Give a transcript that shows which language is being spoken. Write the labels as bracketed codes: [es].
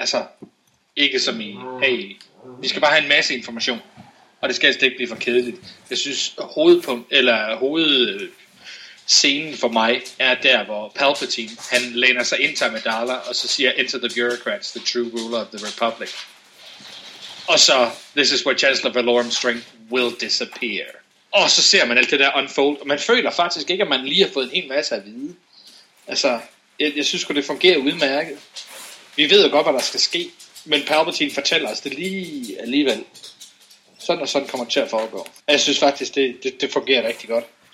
[da] Altså, ikke som i, hey, vi skal bare have en masse information. Og det skal altså ikke blive for kedeligt. Jeg synes, hovedscenen for mig er der, hvor Palpatine, han læner sig ind til Amidala, og så siger, [en] enter the bureaucrats, the true ruler of the republic. [da] Og så, [en] this is where Chancellor Valorum's strength will disappear. [da] Og så ser man alt det der unfold, og man føler faktisk ikke, at man lige har fået en hel masse at vide. Altså, jeg synes godt, det fungerer udmærket. Vi ved jo godt, hvad der skal ske, men Palpatine fortæller os det lige alligevel. Sådan og sådan kommer det til at foregå. Jeg synes faktisk, det fungerer rigtig godt.